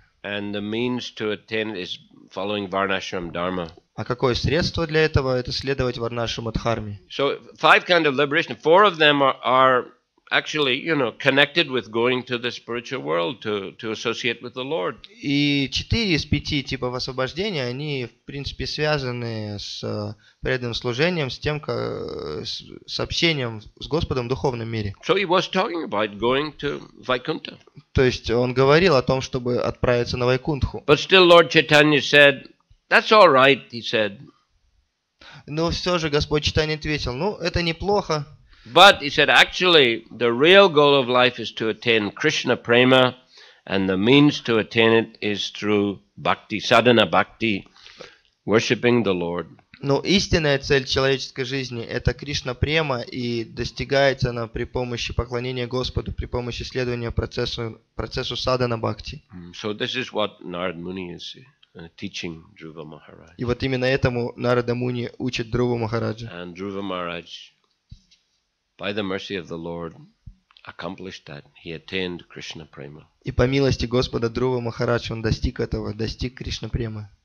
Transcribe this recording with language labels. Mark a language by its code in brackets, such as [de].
[en] And the means to attain is following Varnashram Dharma. [ru] А какое средство для этого? Это следовать Варнашраму Дхарме. [en] So five kinds of liberation. Four of them are actually, you know, connected with going to the spiritual world to associate with the Lord. [ru] И четыре из пяти типов освобождения, они в принципе связаны с преданным служением, с тем, как с общением с Господом в духовном мире. [en] So he was talking about going to Vaikuntha. [ru] То есть он говорил о том, чтобы отправиться на Вайкунтху. [en] But still, Lord Chaitanya said, "That's all right," he said. [ru] Но все же Господь Читания ответил: "Ну, это неплохо." [en] But he said, actually, the real goal of life is to attain Krishna prema, and the means to attain it is through bhakti, sadhana bhakti, worshipping the Lord. [ru] Но истинная цель человеческой жизни – это Кришна према, и достигается она при помощи поклонения Господу, при помощи следования процессу садхана бхакти. [en] So this is what Narad Muni is teaching Dhruva Maharaj. [ru] И вот именно этому Нарада Муни учит Дхрува Махараджа. [en] And Dhruva Maharaj, by the mercy of the Lord, accomplished that. He attained Krishna prema. [ru] И по милости Господа Дхрува Махараджа он достиг этого, достиг Кришна према.